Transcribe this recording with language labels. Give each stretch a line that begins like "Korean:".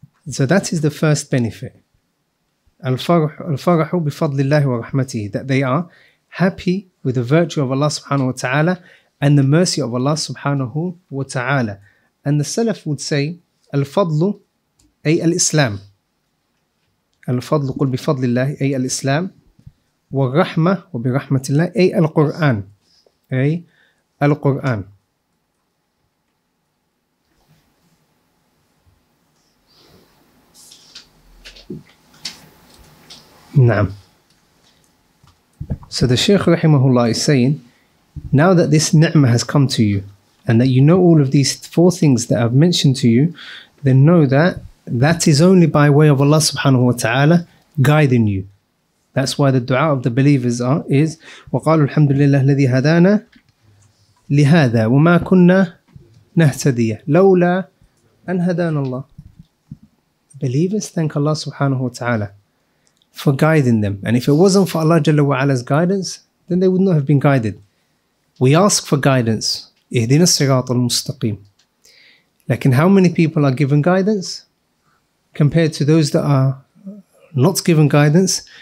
English: So that is the first benefit.
Arabic: Al-farahu bifadlillahi wa rahmatihi.
English: That they are happy with the virtue of Allah subhanahu wa ta'ala and the mercy of Allah subhanahu wa ta'ala. And the Salaf would say,
Arabic: al-fadlu ay al-Islam. Al-fadlu qul bifadlillahi ay al-Islam. والرحمة وبرحمة الله أي القرآن أي القرآن. نعم.
English: So the Shaykh رحمه الله is saying, now that this ni'mah has come to you and that you know all of these four things that I've mentioned to you, then know that is only by way of Allah subhanahu wa ta'ala guiding you. That's why the dua of the believers is
Arabic: وَقَالُوا الْحَمْدُ لِلَّهِ الَّذِي هَدَانَا لِهَذَا وَمَا كُنَّا نَهْتَدِيَ لَوْلَا أَنْ هَدَانَ اللَّهِ.
English: Believers thank Allah subhanahu wa ta'ala for guiding them. And if it wasn't for Allah jalla wa ala's guidance, then they would not have been guided. We ask for guidance.
Arabic: اِهْدِنَا الصِّرَاطَ الْمُسْتَقِيمِ.
English: Like, how many people are given guidance compared to those that are not given guidance?